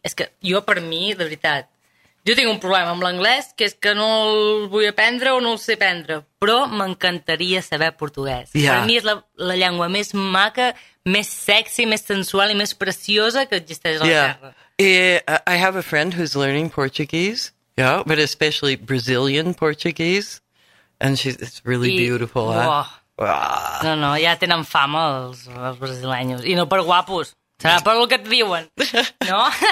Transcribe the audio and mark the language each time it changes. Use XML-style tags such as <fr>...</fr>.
<ca>És que jo, per mi, de veritat, jo tinc un problema amb l'anglès, que és que no el vull aprendre o no el sé aprendre, però m'encantaria saber portuguès.</ca> <en>Yeah.</en> <ca>Per mi és la llengua més maca, més sexy, més sensual i més preciosa que existeix a la</ca> <en>yeah.</en> <ca>Terra.</ca> <en>I have a friend who's learning Portuguese, yeah, but especially Brazilian Portuguese, and it's really beautiful. Oh. Eh?</en> <ca>No, no, ja tenen fama els brasileños, i no per guapos, serà per el que et diuen, no?</ca>